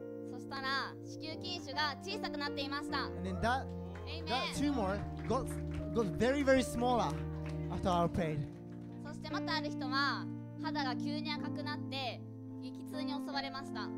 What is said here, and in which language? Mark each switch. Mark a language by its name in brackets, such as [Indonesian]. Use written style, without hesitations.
[Japanese] そしたら子宮筋腫が小さくなっていました。 [English] And then that tumor got very very smaller after our prayer. [Japanese] そしてまたある人は肌が急に赤くなって激痛に襲われました。